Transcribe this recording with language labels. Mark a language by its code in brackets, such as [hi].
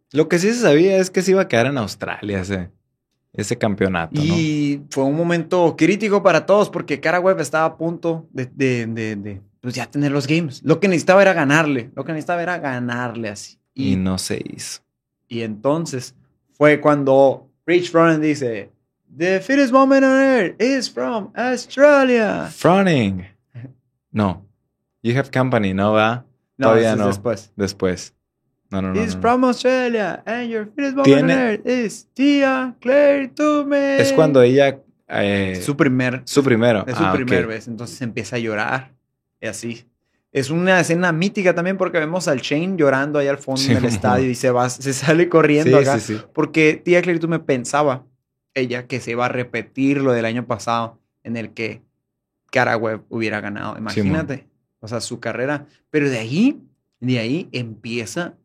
[es] Lo que sí se sabía es que se iba a quedar en Australia ese campeonato, y ¿no? Fue un momento crítico para todos porque Cara Webb estaba a punto de pues ya tener los games. Lo que necesitaba era ganarle así. Y no se hizo. Y entonces fue cuando Rich Froning dice... [en] The fittest woman on earth is from Australia. [es] Froning. No. [en] You have company, [es] ¿no? ¿Verdad? No, todavía no. Después. No. [en] It's from Australia and your fittest woman on earth is Tia Claire Toomey. [es] Es cuando ella... Su primero. Es su primera vez. Entonces empieza a llorar. Y así. Es una escena mítica también porque vemos al Shane llorando ahí al fondo del estadio y se sale corriendo acá. Sí. Porque Tia Claire Toomey pensaba... Ella que se iba a repetir lo del año pasado en el que Cara Webb hubiera ganado. Imagínate. Sí, o sea, su carrera. Pero de ahí empieza